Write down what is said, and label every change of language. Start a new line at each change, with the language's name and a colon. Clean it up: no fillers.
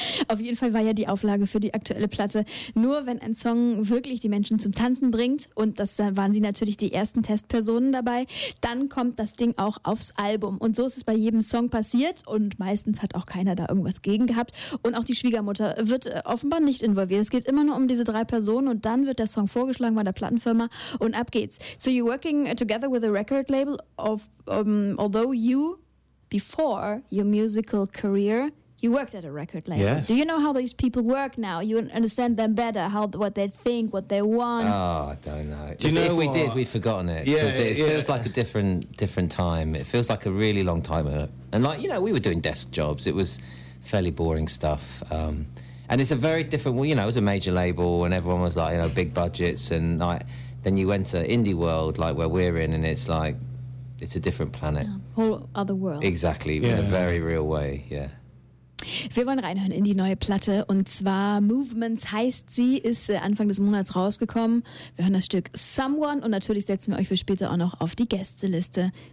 German: Auf jeden Fall war ja die Auflage für die aktuelle Platte, nur wenn ein Song wirklich die Menschen zum Tanzen bringt, und das waren sie natürlich die ersten Testpersonen dabei, dann kommt das Ding auch aufs Album. Und so ist es bei jedem Song passiert und meistens hat auch keiner da irgendwas gegen gehabt. Und auch die Schwiegermutter wird offenbar nicht involviert. Es geht immer nur um diese drei Personen und dann wird der Song vorgeschlagen bei der Plattenfirma und ab geht's.
English: So you're working together with a record label, although you, before your musical career... You worked at a record label. Yes. Do you know how these people work now? You understand them better, what they think, what they want. Oh, I don't know. Do you know if we did, we've forgotten it. Yeah, feels like a different time. It feels like a really long time ago. And like, you know, we were doing desk jobs. It was fairly boring stuff. And it's a very different, you know, it was a major label and everyone was like, you know, big budgets. And like, then you enter indie world, like where we're in, and it's like, it's a different planet. Yeah, whole other world. Exactly, in a very real way, yeah.
German: Wir wollen reinhören in die neue Platte und zwar Movements heißt sie, ist Anfang des Monats rausgekommen. Wir hören das Stück Someone und natürlich setzen wir euch für später auch noch auf die Gästeliste.